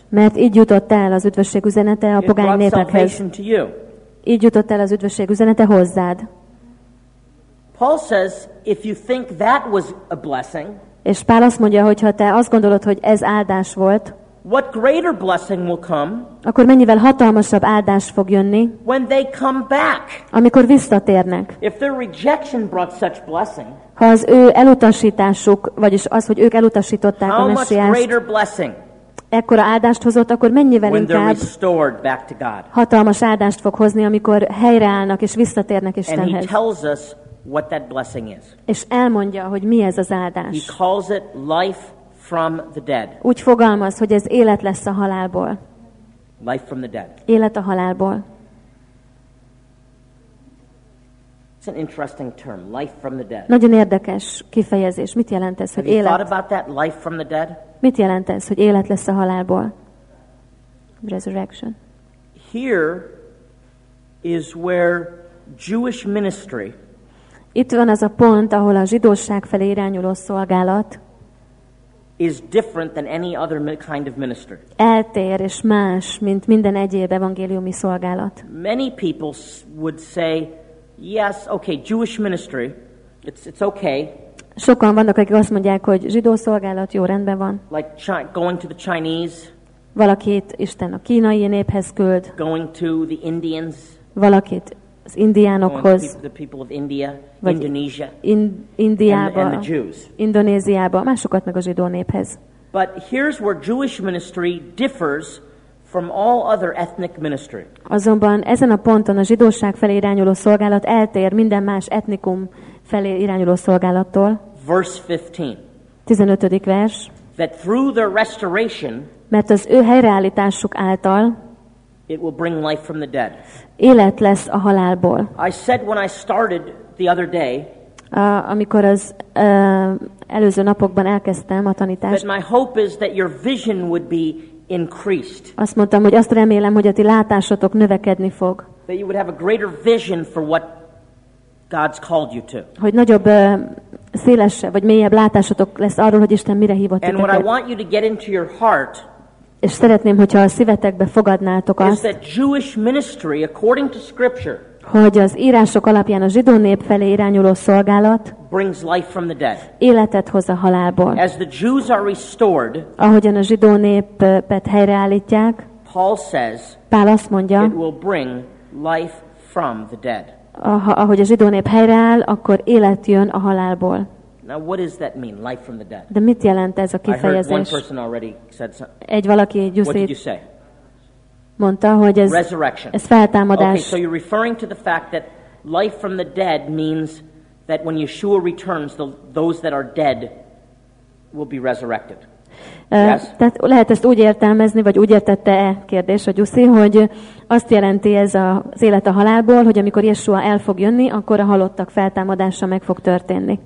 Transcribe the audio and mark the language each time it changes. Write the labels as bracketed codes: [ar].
[hu] Mert így jutott el az üdvösség üzenete a pogány népekhez. Így jutott el az üdvösség üzenete hozzád. [en] Paul says, if you think that was a blessing, [hu] és Pál azt mondja, hogy ha te azt gondolod, hogy ez áldás volt, [en] what greater blessing will come, [hu] akkor mennyivel hatalmasabb áldás fog jönni, [en] when they come back, [hu] amikor visszatérnek. [en] If their rejection brought such blessing, [hu] ha az ő elutasításuk, vagyis az, hogy ők elutasították [en] how [hu] a messiást, [en] much greater blessing, [hu] ekkora áldást hozott, akkor mennyivel inkább hatalmas áldást fog hozni, amikor helyreállnak és visszatérnek Istenhez. [en] And he tells us what that blessing is. [hu] És elmondja, hogy mi ez az áldás. [en] He calls it life from the dead. [hu] Úgy fogalmaz, hogy ez élet lesz a halálból. [en] Life from the dead. [hu] Élet a halálból. [en] It's an interesting term, life from the dead. [hu] Nagyon érdekes kifejezés. Mit jelent ez, hogy élet? [en] Have you thought about that, life from the dead? [hu] Mit jelent ez, hogy élet lesz a halálból? [en] Resurrection. Here is where Jewish ministry. [hu] Itt van az a pont, ahol a zsidóság felé irányuló szolgálat [en] is different than any other kind of ministry. [hu] Eltér és más, mint minden egyéb evangéliumi szolgálat. [en] Many people would say, yes, okay, Jewish ministry, it's okay. [hu] Sokan vannak, akik azt mondják, hogy zsidó szolgálat, jó, rendben van. [en] Like going to the Chinese. [hu] Valakit Isten a kínai néphez küld. [en] Going to the Indians. [hu] Valakit az indiánokhoz. [en] The people of India, Indonesia. [hu] Indiába. [en] And the Jews. [hu] Indonéziába, másokat meg a zsidó néphez. [en] But here's where Jewish ministry differs from all other ethnic ministry. [hu] Azonban ezen a ponton a zsidóság felé irányuló szolgálat eltér minden más etnikum felé irányuló szolgálattól. [en] Verse 15. [hu] 15. vers. [en] That through their restoration, [hu] mert az ő helyreállításuk által, [en] it will bring life from the dead. [hu] Élet lesz a halálból. [en] I said when I started the other day, [hu] amikor az előző napokban elkezdtem a tanítást, [en] that my hope is that your vision would be increased. [hu] Azt mondtam, hogy azt remélem, hogy a ti látásotok növekedni fog. [en] That you would have a greater vision for what God's called you to. [hu] Hogy nagyobb szélesse vagy mélyebb látásotok lesz arról, hogy Isten mire hívott titeket. [en] And what I want you to get into your heart. [hu] És szeretném, hogyha a szívetekbe fogadnátok azt. [en] Is that Jewish ministry according to scripture. [hu] Hogy az írások alapján a zsidó nép felé irányuló szolgálat [en] brings life from the dead. [hu] Életet hoz a halálból. [en] As the Jews are restored, [hu] ahogyan a zsidó népet helyreállítják, [en] Paul says, [hu] Pál azt mondja, [en] it will bring life from the dead. [hu] Ahogy a zsidó nép helyreáll, akkor élet jön a halálból. [en] Now, what does that mean, life from the dead? [hu] De mit jelent ez a kifejezés? [en] I heard one person already said something. [hu] Egy valaki egy gyuszét. [en] What did you say? [hu] Mondta, hogy ez feltámadás. [en] Okay, so you're referring to the fact that life from the dead means that when Yeshua returns, those that are dead will be resurrected. Yes? [hu] Tehát lehet ezt úgy értelmezni, vagy úgy értette-e kérdés a Gyuszi, hogy azt jelenti ez az élet a halálból, hogy amikor Yeshua el fog jönni, akkor a halottak feltámadása meg fog történni.